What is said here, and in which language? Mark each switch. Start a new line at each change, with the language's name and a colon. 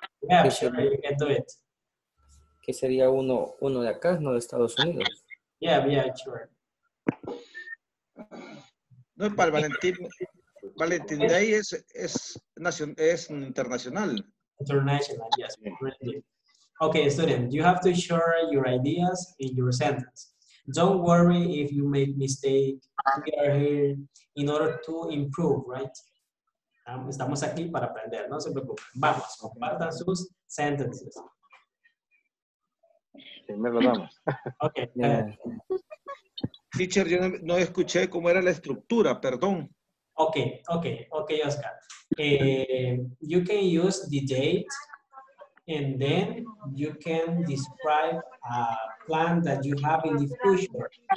English: Yeah, sure, you can do it.
Spanish: ¿Qué sería uno de acá, no de Estados Unidos?
English: Yeah, sure.
Spanish: No es para el Valentín Day, es internacional.
English: International, yes. Yeah. Okay, student, you have to share your ideas in your sentence. Don't worry if you make mistake. We are here in order to improve, right?
Spanish: Estamos aquí para aprender, no se preocupen. Vamos, compartan sus sentences. Primero damos.
English: Ok.
Spanish: Teacher, yo no escuché cómo era la estructura, perdón.
English: Ok, Oscar. You can use the date and then you can describe a plan that you have in the future.